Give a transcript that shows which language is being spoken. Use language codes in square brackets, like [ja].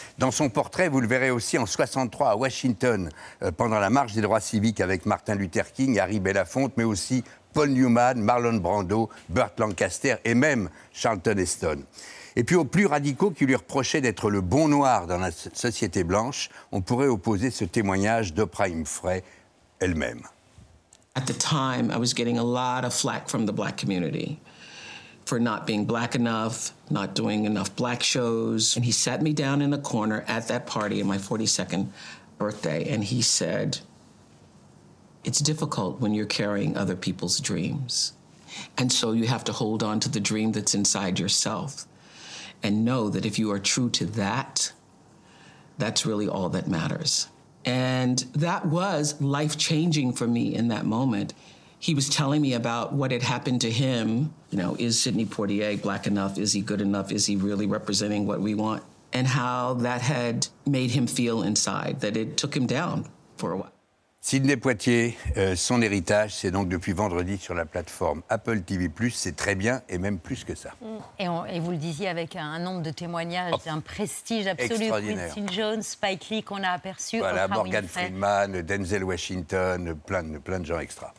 [fr] Dans son portrait, vous le verrez aussi en 63 à Washington, pendant la marche des droits civiques avec Martin Luther King, Harry Belafonte, mais aussi Paul Newman, Marlon Brando, Burt Lancaster et même Charlton Heston. Et puis aux plus radicaux qui lui reprochaient d'être le bon noir dans la société blanche, on pourrait opposer ce témoignage d'Oprah Winfrey elle-même. [en] At the time, I was getting a lot of flack from the black community for not being black enough, not doing enough black shows. And he sat me down in a corner at that party on my 42nd birthday and he said, it's difficult when you're carrying other people's dreams. And so you have to hold on to the dream that's inside yourself. And know that if you are true to that, that's really all that matters. And that was life-changing for me in that moment. He was telling me about what had happened to him. You know, is Sidney Poitier black enough? Is he good enough? Is he really representing what we want? And how that had made him feel inside, that it took him down for a while. [fr] Sidney Poitier, son héritage, c'est donc depuis vendredi sur la plateforme Apple TV+, c'est très bien et même plus que ça. Et vous le disiez avec un nombre de témoignages, un prestige absolu. Quincy Jones, Spike Lee qu'on a aperçu. Voilà, Morgan Freeman, Denzel Washington, plein de gens extra.